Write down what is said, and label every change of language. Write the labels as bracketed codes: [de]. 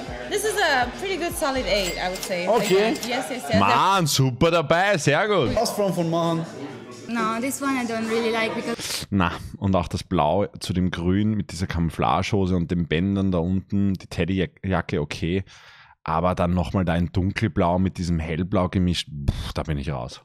[en] This is a pretty good solid 8, I would say. Okay. Yes. [de] Mann, super dabei, sehr gut. Was von Mann? [en] No, this one I don't really like because... [de] Na, und auch das Blau zu dem Grün mit dieser Camouflagehose und den Bändern da unten, die Teddyjacke, okay. Aber dann nochmal dein Dunkelblau mit diesem Hellblau gemischt, pff, da bin ich raus.